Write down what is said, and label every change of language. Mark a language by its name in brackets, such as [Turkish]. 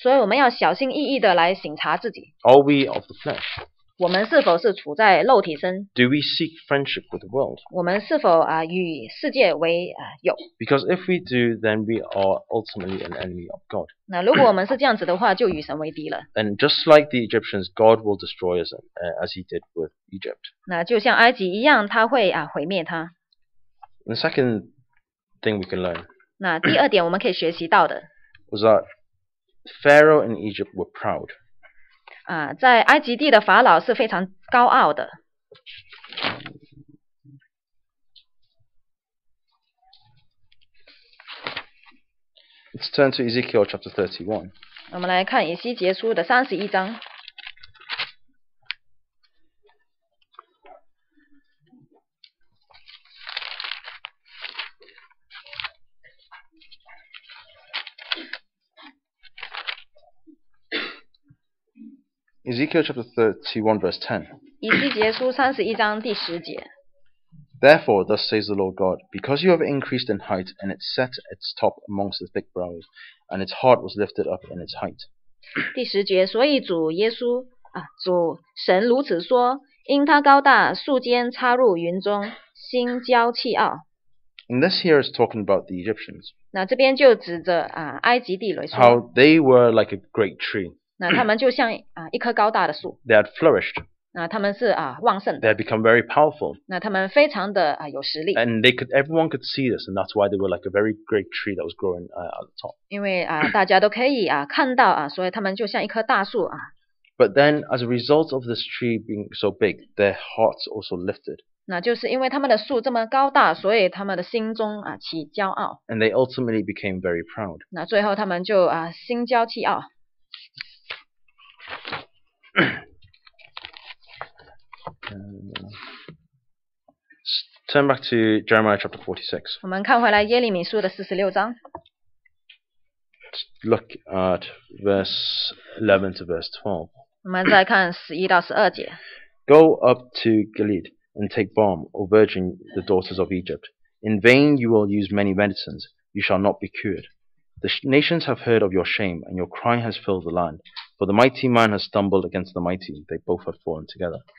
[Chinese] 所以我们要小心翼翼的来省察自己。 [English] Are we of the flesh? [Chinese] 我们是否是处在肉体身？ [English] Do we seek friendship with the world? [Chinese] 我们是否啊与世界为啊友？ [English] Because if we do, then we are ultimately an enemy of God. [Chinese] 那如果我们是这样子的话，就与神为敌了。 [English] And just like the Egyptians, God will destroy us as He did with Egypt. [Chinese] 那就像埃及一样，他会啊毁灭他。 [English] The second thing we can learn. [Chinese] 那第二点我们可以学习到的。 [English] Was that Pharaoh and Egypt were proud. [Chinese] 在埃及地的法老是非常高傲的。 [English] Let's turn to Ezekiel chapter 31. [Chinese] 我们来看以西结书的三十一章。 [English] Ezekiel chapter 31 verse 10. [Chinese] 以西结书三十一章第十节。 [English] Therefore, thus says the Lord God, because you have increased in height, and it set its top amongst the thick boughs, and its heart was lifted up in its height. [Chinese] 第十节，所以主耶稣啊，主神如此说，因他高大，素肩插入云中，心骄气傲。 [English] And this here is talking about the Egyptians. [Chinese] 那这边就指着啊，埃及地来说。 [English] How they were like a great tree. [Chinese] 那他们就像啊，一棵高大的树。 [English] They had flourished. [Chinese] 那他们是啊旺盛的。 [English] They had become very powerful. [Chinese] 那他们非常的啊有实力。 [English] And everyone could see this, and that's why they were like a very great tree that was growing at the top. [Chinese] 因为啊大家都可以啊看到啊，所以他们就像一棵大树啊。 [English] But then, as a result of this tree being so big, their hearts also lifted. [Chinese] 那就是因为他们的树这么高大，所以他们的心中啊起骄傲。 [English] And they ultimately became very proud. [Chinese] 那最后他们就啊心骄气傲。 [English] Turn back to Jeremiah chapter 46. [Chinese] 我们看回来耶利米书的四十六章。 [English] Look at verse 11 to verse 12. [Chinese] 我们再看十一到十二节。 [English] Go up to Gilead and take balm, O virgin, the daughters of Egypt. In vain you will use many medicines; you shall not be cured. The nations have heard of your shame, and your cry has filled the land. For the mighty man has stumbled against the mighty; they both have fallen together.